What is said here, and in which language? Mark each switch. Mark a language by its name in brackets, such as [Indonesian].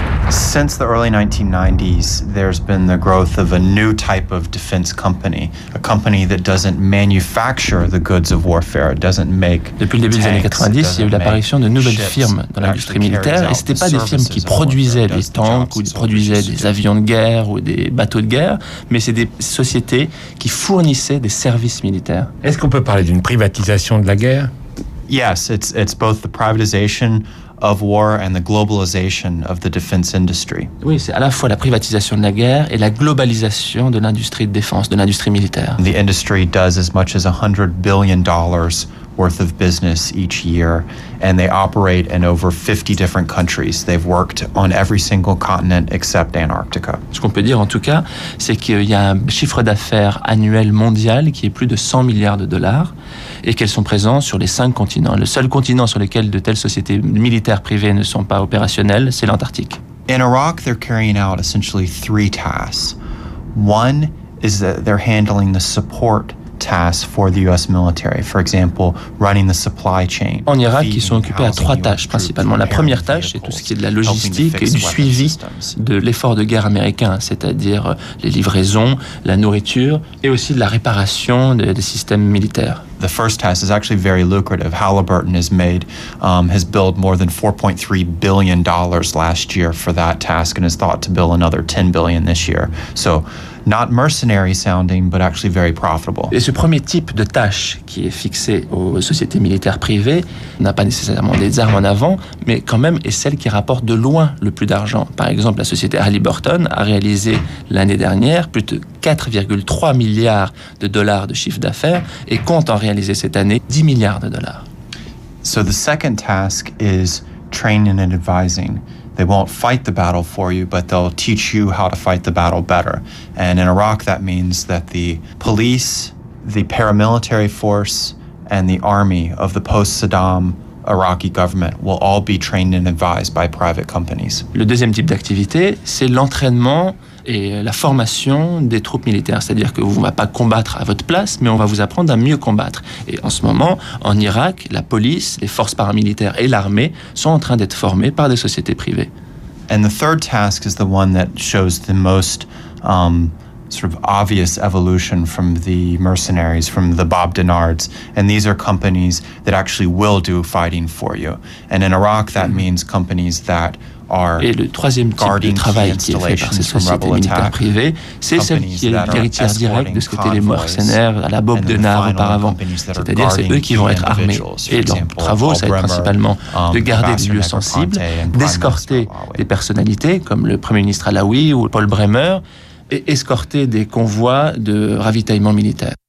[English] Since the early 1990s, there's been the growth of a new type of defense company, a company that doesn't manufacture the goods of warfare, doesn't make tanks. [French] Depuis le début des années 90, il y a eu l'apparition de nouvelles firmes dans l'industrie militaire, et c'était pas des firmes qui produisaient des tanks ou produisaient des avions de guerre ou des bateaux de guerre, mais c'est des sociétés qui fournissaient des services militaires. Est-ce qu'on peut parler d'une privatisation de la guerre? [English] Yes, it's both the privatization of war and the globalization of the defense industry. [French] Oui, c'est à la fois la privatisation de la guerre et la globalisation de l'industrie de défense, de l'industrie militaire. [English] The industry does as much as $100 billion worth of business each year, and they operate in over 50 different countries. They've worked on every single continent except Antarctica. [French] Ce qu'on peut dire en tout cas, c'est qu'il y a un chiffre d'affaires annuel mondial qui est plus de 100 milliards de dollars et qu'elles sont présentes sur les 5 continents. Le seul continent sur lequel de telles sociétés militaires privées ne sont pas opérationnelles, c'est l'Antarctique. [English] In Iraq, they're carrying out essentially three tasks. One is that they're handling the support tasks for the U.S. military, for example, running the supply chain. [French] En Irak, ils sont occupés à trois tâches principalement. La première tâche, c'est tout ce qui est de la logistique et du suivi de l'effort de guerre américain, c'est-à-dire les livraisons, la nourriture et aussi de la réparation des systèmes militaires. [English] The first task is actually very lucrative. Halliburton has built more than $4.3 billion last year for that task, and is thought to build another $10 billion this year. So, not mercenary sounding, but actually very profitable. [French] Et ce premier type de tâche qui est fixé aux sociétés militaires privées n'a pas nécessairement des armes en avant, mais quand même est celle qui rapporte de loin le plus d'argent. Par exemple, la société Halliburton a réalisé l'année dernière plus de 4,3 milliards de dollars de chiffre d'affaires et compte en réaliser cette année 10 milliards de dollars. [English] So the second task is training and advising. They won't fight the battle for you, but they'll teach you how to fight the battle better. And in Iraq, that means that the police, the paramilitary force, and the army of the post-Saddam Iraqi government will all be trained and advised by private companies. [French] Le deuxième type d'activité, c'est l'entraînement et la formation des troupes militaires. C'est-à-dire que vous ne pas combattre à votre place, mais on va vous apprendre à mieux combattre. Et en ce moment, en Irak, la police, les forces paramilitaires et l'armée sont en train d'être formées par des sociétés privées. [English] And the third task is the one that shows the most sort of obvious evolution from the mercenaries, from the Bob Denards. And these are companies that actually will do fighting for you. And in Iraq, that means companies that [French] et le troisième type de travail qui est fait par ces sociétés militaires privées, c'est celle qui est l'héritière directe de ce qu'étaient les mercenaires à la Bob Denard auparavant. C'est-à-dire, c'est eux qui vont être armés. Et leurs travaux, ça va être principalement de garder des lieux sensibles, d'escorter des personnalités comme le Premier ministre Alaoui ou Paul Bremer, et escorter des convois de ravitaillement militaire.